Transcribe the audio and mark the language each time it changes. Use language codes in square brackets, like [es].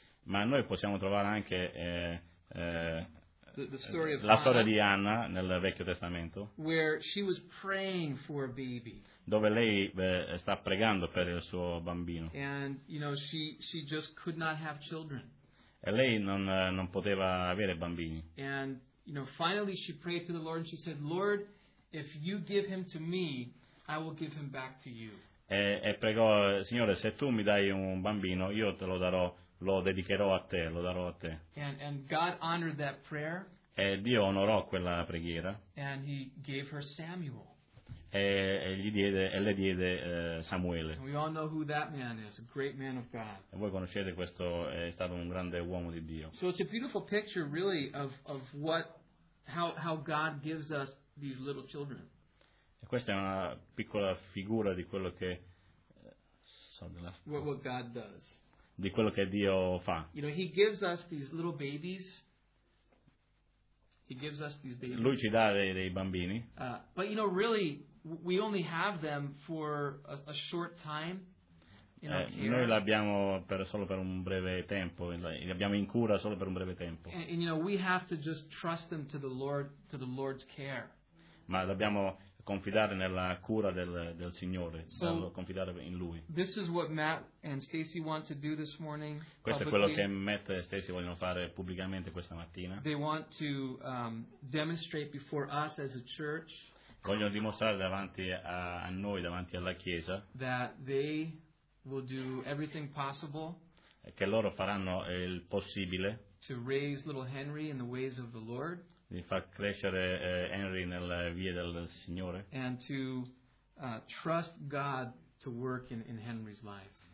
[it] Ma noi possiamo trovare anche la storia di Anna nel Vecchio Testamento, [en] where she was praying for a baby. [it] Dove lei sta pregando per il suo bambino. [en] And you know, she just could not have children. [it] E lei non poteva avere bambini. [en] And you know, finally she prayed to the Lord and she said, "Lord, if you give him to me, I will give him back to you." [it] E pregò, Signore, se tu mi dai un bambino, io te lo darò lo dedicherò a te, lo darò a te. [en] And God honored that prayer. [it] E Dio onorò quella preghiera. [en] And he gave her Samuel. [it] E le diede Samuele. [en] We all know who that man is, a great man of God. [it] E voi conoscete questo, è stato un grande uomo di Dio. [en] So it's a beautiful picture really of how God gives us these little children. [it] E questa è una piccola figura di quello che [en] what God does. [it] Di quello che Dio fa. [en] You know, he gives us these little babies. He gives us these babies. [it] Lui ci dà dei bambini. [en] But you know, really, we only have them for a short time. [it] Noi li abbiamo solo per un breve tempo. Li abbiamo in cura solo per un breve tempo. [en] And you know, we have to just trust them to the Lord's care. [it] Ma dobbiamo confidare nella cura del Signore, confidare in Lui. [en] This is what Matt and Stacy want to do this morning. [it] Questo è quello che Matt e Stacy vogliono fare pubblicamente questa mattina. [en] They want to demonstrate before us as a church. [it] Vogliono dimostrare davanti a noi, davanti alla Chiesa, [en] that they will do everything possible. [it] Che loro faranno il possibile. [en] To raise little Henry in the ways of the Lord. [it] Di far crescere Henry nelle vie del Signore. [en] And to trust God to work in Henry's life.